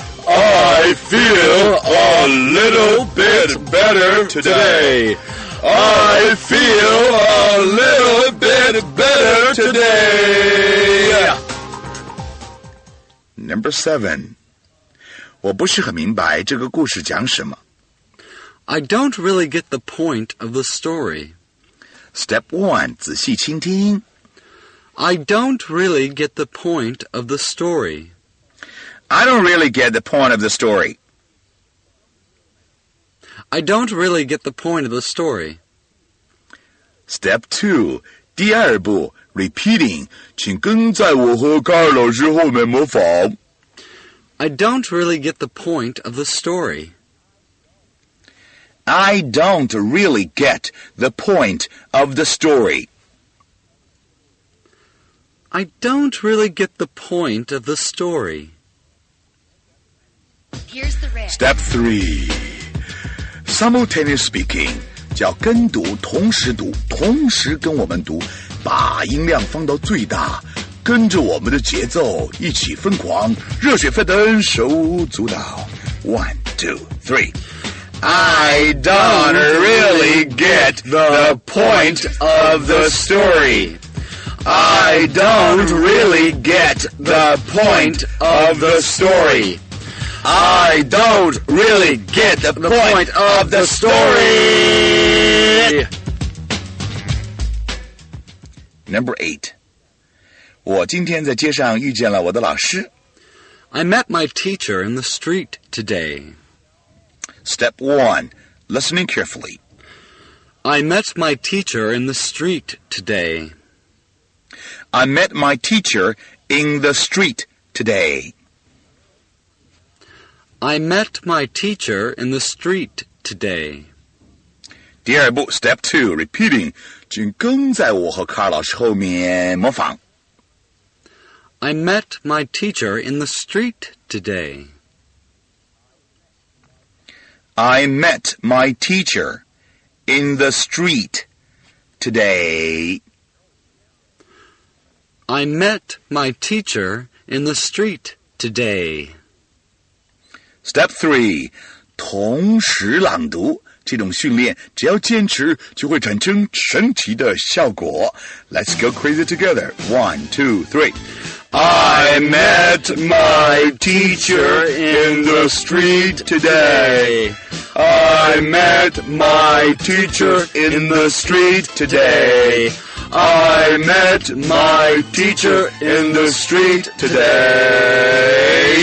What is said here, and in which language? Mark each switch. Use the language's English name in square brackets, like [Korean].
[English] I feel a little bit better today. I feel a little bit better today. Number 7. [Chinese] 我不是很明白这个故事讲什么。 [English] I don't really get the point of the story. Step 1. [Chinese] 仔细倾听。 [English] I don't really get the point of the story. I don't really get the point of the story. I don't really get the point of the story. Step 2. [Chinese] 第二步, [English] repeating. [Chinese] 请跟在我和卡尔老师后面模仿。 [English] I don't really get the point of the story. I don't really get the point of the story. I don't really get the point of the story. Here's the rest. Step 3. Simultaneous speaking. [Chinese] 叫跟读同时读同时跟我们读把音量放到最大跟着我们的节奏一起疯狂热血沸腾手舞足蹈 1, 2, 3. [English] I don't really get the point of the story. I don't really get the point of the story. I don't really get the point of the story. Number 8. [Chinese] 我今天在街上遇见了我的老师。 [English] I met my teacher in the street today. Step 1. Listening carefully. I met my teacher in the street today. I met my teacher in the street today. I met my teacher in the street today. [Chinese] 第二步 [English] step 2, repeating. [Chinese] 请跟在我和卡尔老师后面模仿。 [English] I met my teacher in the street today. I met my teacher in the street today. I met my teacher in the street today. Step 3. [Chinese] 同时朗读。这种训练只要坚持就会产生神奇的效果。 [English] Let's go crazy together. 1, 2, 3. I met my teacher in the street today. I met my teacher in the street today. I met my teacher in the street today.